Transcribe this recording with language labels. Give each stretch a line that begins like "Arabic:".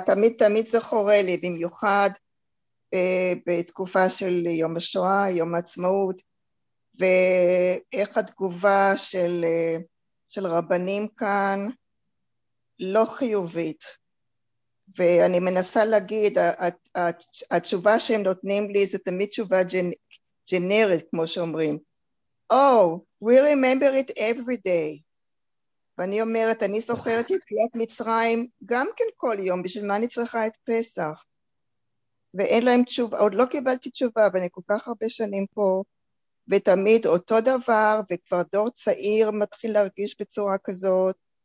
Hebrew: תמיד תמיד זה חורה לי, במיוחד בתקופה של יום השואה, יום העצמאות, ואיך התגובה של רבנים כאן לא חיובית. ואני מנסה להגיד, התשובה שהם נותנים לי זה תמיד תשובה ג'נרית, כמו שאומרים.
English: Oh, we remember it every day.
Hebrew: ואני אומרת, אני זוכרת יציאת מצרים גם כן כל יום, בשביל מה אני צריכה את פסח? ואין להם תשובה, עוד לא קיבלתי תשובה, ואני כל כך הרבה שנים פה, ותמיד אותו דבר, וכבר דור צעיר מתחיל להרגיש בצורה כזאת,